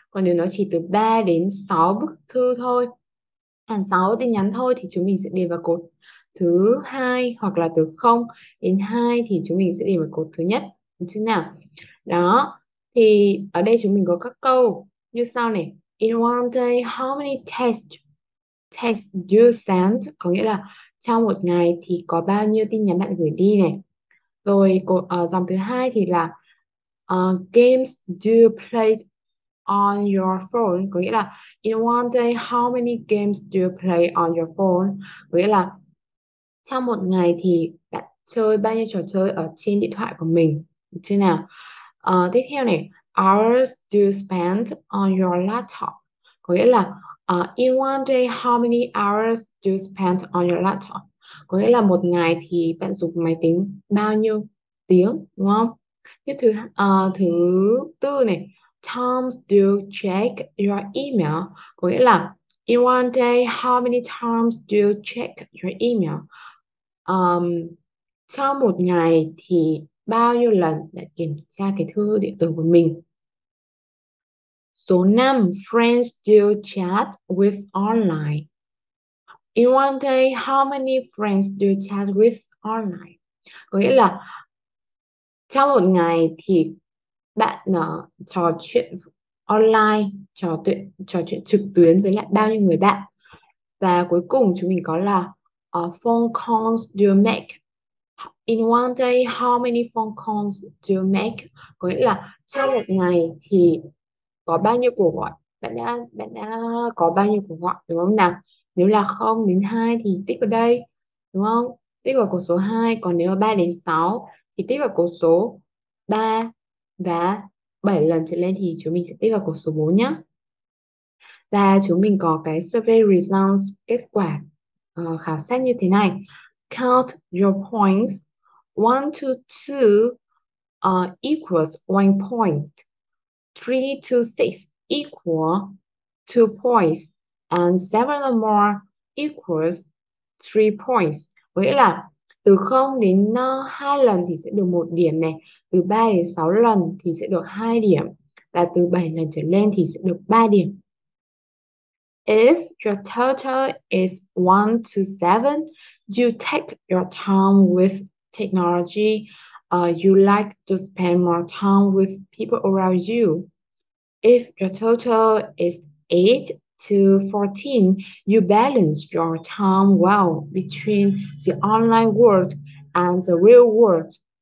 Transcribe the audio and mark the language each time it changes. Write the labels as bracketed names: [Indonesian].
[Vietnamese] Còn nếu nó chỉ từ 3 đến 6 bức thư thôi, hàng 6 tin nhắn thôi, thì chúng mình sẽ điền vào cột thứ hai, hoặc là từ 0 đến 2 thì chúng mình sẽ điền vào cột thứ nhất, đúng chứ nào? Đó, thì ở đây chúng mình có các câu như sau này. [English] In one day, how many texts do you send? [Vietnamese] Có nghĩa là trong một ngày thì có bao nhiêu tin nhắn bạn gửi đi này. Rồi dòng thứ hai thì là [English] games do you play on your phone? [Vietnamese] Có nghĩa là [English] in one day, how many games do you play on your phone? [Vietnamese] Có nghĩa là trong một ngày thì bạn chơi bao nhiêu trò chơi ở trên điện thoại của mình, được chưa nào? Tiếp theo này, [English] hours do you spend on your laptop? [Vietnamese] Có nghĩa là [English] in one day, how many hours do you spend on your laptop? [Vietnamese] Có nghĩa là một ngày thì bạn dùng máy tính bao nhiêu tiếng, đúng không? Tiếp thứ thứ tư này, [English] times do you check your email? [Vietnamese] Có nghĩa là [English] in one day, how many times do you check your email? [Vietnamese] Trong một ngày thì bao nhiêu lần để kiểm tra cái thư điện tử của mình? [English] Số 5, friends do you chat with online? In one day, how many friends do you chat with online? [Vietnamese] Có nghĩa là trong một ngày thì bạn trò chuyện online, trò chuyện trực tuyến với lại bao nhiêu người bạn? Và cuối cùng chúng mình có là [English] phone calls do you make? In one day, how many phone calls do you make? [Vietnamese] Có nghĩa là trong một ngày thì có bao nhiêu cuộc gọi, bạn đã có bao nhiêu cuộc gọi, đúng không nào? Nếu là 0 đến 2 thì tích vào đây, đúng không? Tích vào cột số 2. Còn nếu là 3 đến 6 thì tích vào cột số 3, và 7 lần trở lên thì chúng mình sẽ tích vào cột số 4 nhé. Và chúng mình có cái survey results, kết quả khảo sát như thế này. [English] Count your points. 1 to 2 equals 1 point. 3 to 6 equals 2 points. And 7 or more equals 3 points. [Vietnamese] Có nghĩa là từ 0 đến 2 lần thì sẽ được 1 điểm này. Từ 3 đến 6 lần thì sẽ được 2 điểm. và từ 7 lần trở lên thì sẽ được 3 điểm. [English] If your total is 1 to 7, you take your time with technology. You like to spend more time with people around you. If your total is 8 to 14, you balance your time well between the online world and the real world.